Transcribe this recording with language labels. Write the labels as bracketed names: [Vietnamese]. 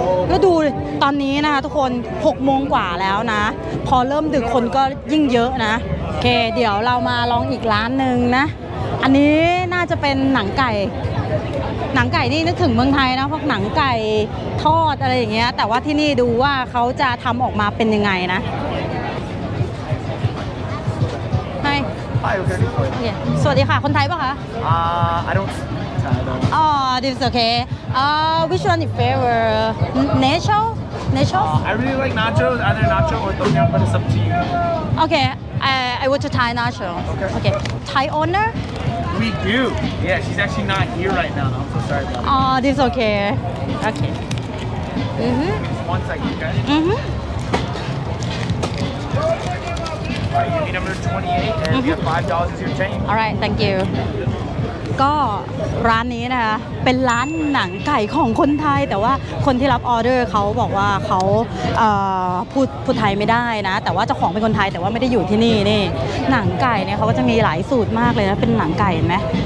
[Thai] ก็ดูตอนนี้นะคะทุกคน6โมงกว่าแล้วนะพอเริ่มดึกคนก็ยิ่งเยอะนะโอเคเดี๋ยวเรามาลองอีกร้านนึงนะอันนี้น่าจะเป็นหนังไก่นี่นึกถึงเมืองไทยนะพวกหนังไก่ทอดอะไรอย่างเงี้ยแต่ว่าที่นี่ดูว่าเขาจะทำออกมาเป็นยังไงนะไ ปไปโอเค สวัสดีค่ะคนไทยป่ะคะ [English] I don't this is okay which one is favor nacho I really like nacho either nacho or tom yum but it's up to you okay I want to Thai nacho okay Thai owner we do yeah she's actually not here right now I'm so sorry about that this is okay mm-hmm. one second okay mm-hmm. You need number 28 and you have $5 as your change. All right, thank you. [Thai] ก็ร้านนี้นะคะเป็นร้านหนังไก่ของคนไทยแต่ว่าคนที่รับออเดอร์เขาบอกว่าเขาพูดไทยไม่ได้นะแต่ว่าเจ้าของเป็นคนไทยแต่ว่าไม่ได้อยู่ที่นี่นี่หนังไก่เนี่ยเขาก็จะมีหลายสูตรมากเลยนะเป็นหนังไก่เห็นไหม